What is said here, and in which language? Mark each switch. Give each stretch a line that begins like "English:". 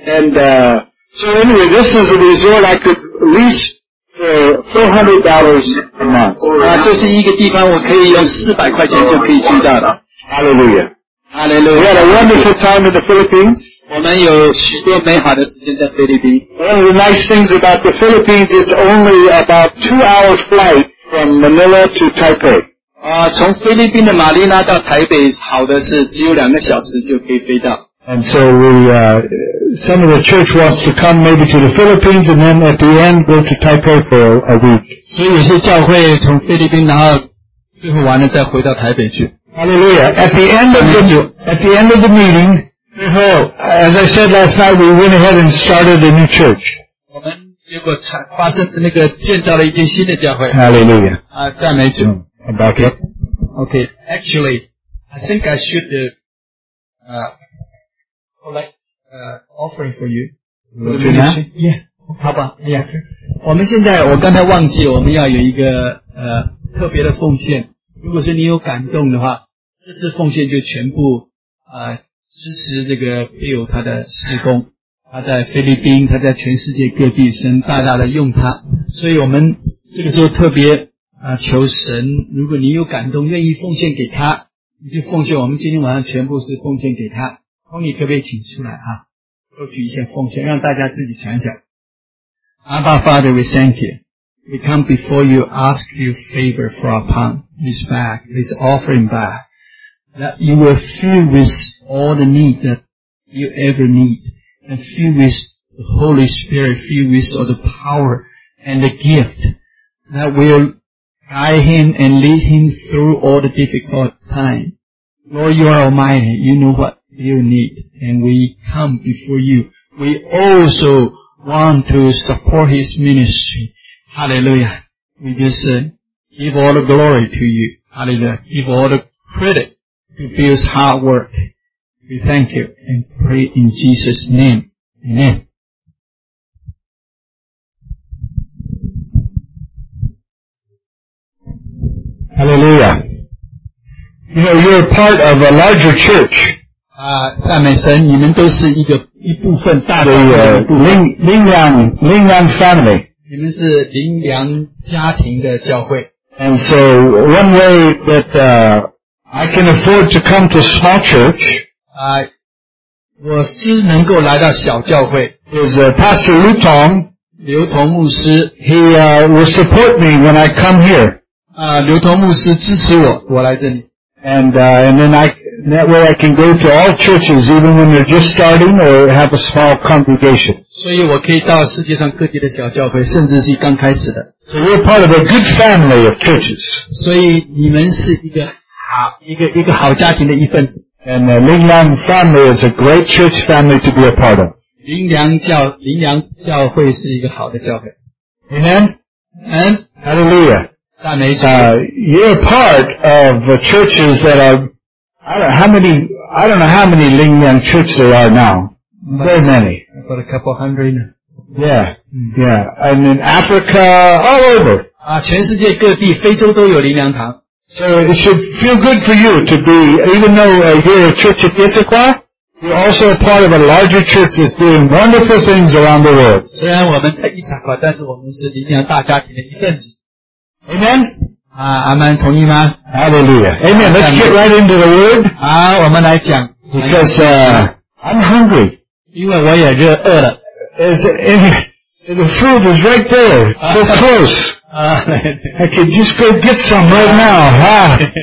English: And so anyway, this is a resort I could lease for $400 a month.
Chinese: 这是一个地方我可以用400块钱就可以去到的。
English: Hallelujah. Hallelujah. We had a wonderful time in the Philippines.
Chinese: 我们有许多美好的时间在菲律宾。
English: One of the nice things about the Philippines, it's only about 2 hours flight from Manila to Taipei.
Chinese: 从菲律宾的马尼拉到台北，好的是只有2个小时就可以飞到。
English: And so we, some of the church wants to come maybe to the Philippines and then at the end go to Taipei for a week.
Chinese: 所以有些教会从菲律宾，然后最后完了再回到台北去。
English: Hallelujah! At the end of the meeting,
Chinese: 最后
English: as I said last night, we went ahead and started a new church.
Chinese: 我们结果发生那个建造了一间新的教会。
English: Hallelujah!
Chinese: 赞美主。
English: About it. Okay, actually, I think I should collect offering for you. Yeah.
Chinese: 好吧 Yeah. 我们现在我刚才忘记我们要有一个特别的奉献。如果说你有感动的话，这次奉献就全部支持这个 Bill 他的事工。他在菲律宾，他在全世界各地，神大大的用他。所以我们这个时候特别。求神，如果你有感动愿意奉献给他，你就奉献，我们今天晚上全部是奉献给他。托尼可不可以请出来啊，收取一些奉献，让大家自己想想。
English: Abba Father, we thank you. We come before you, ask you favor for our palm, this bag, this offering bag, that you will fill with all the need that you ever need, and fill with the Holy Spirit, fill with all the power and the gift that willGuide him and lead him through all the difficult time. Lord, you are Almighty. You know what you need. And we come before you. We also want to support his ministry. Hallelujah. We just give all the glory to you. Hallelujah. Give all the credit to Bill's hard work. We thank you and pray in Jesus' name. Amen. Hallelujah. You know, you're part of a larger church.
Chinese: 赞美神，你们都是一部分大的一部分。
English: 林良 family.
Chinese: 你们是林良家庭的教会。
English: And so, one way that, I can afford to come to small church,
Chinese: 我是能够来到小教会。
English: Is Pastor Lutong,
Chinese: 刘同牧师
English: He will support me when I come here.
Chinese: 刘同牧师支持我，我来这里。
English: That way I can go to all churches, even when they're just starting or have a small congregation.
Chinese: 所以我可以到世界上各地的小教会，甚至是刚开始的。
English: So you're part of a good family of churches.
Chinese: 所以你们是一个好家庭的一份子。
English: And the Ling Liang family is a great church family to be a part of.
Chinese: 林良教会是一个好的教会。
English: Amen. And Hallelujah.
Chinese: 赞美主。
English: You're part of the churches that are. I don't know how many Ling Liang churches there are now. Very many. About a couple hundred. Yeah. And in Africa, all over.
Chinese: 全世界各地，非洲都有林良堂。
English: So it should feel good for you to be, even though you're a church at Issaquah, you're also a part of a larger church that's doing wonderful things around the world.
Chinese: 虽然我们在伊萨卡，但是我们是林良大家庭的一份子。
English: Amen.
Chinese: 阿们同意吗
English: ？Hallelujah. Amen. Let's get right into the word.
Chinese: 好，我们来讲。
English: Because I'm hungry.
Chinese: 因为我也热饿了。
English: The food is right there, so close. I can just go get some right now, huh?